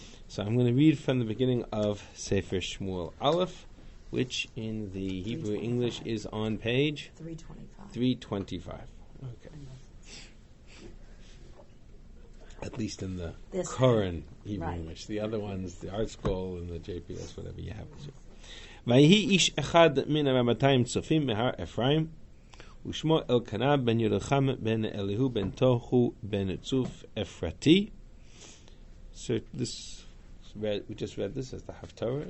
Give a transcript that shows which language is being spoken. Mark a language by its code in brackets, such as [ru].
[en] So I'm going to read from the beginning of Sefer Shmuel Aleph, which in the Hebrew English is on page 325. Okay. At least in the Koran Hebrew English. The other ones, the Art Scroll and the JPS, whatever you have. [he] Vayhi ish echad min ha-ramatayim tzofim mehar Ephraim. ושמו אלקנה בן ירחם בן אליהו בן תוכו בן צוף אפרתי. [en] So this, we just read this as the Haftorah.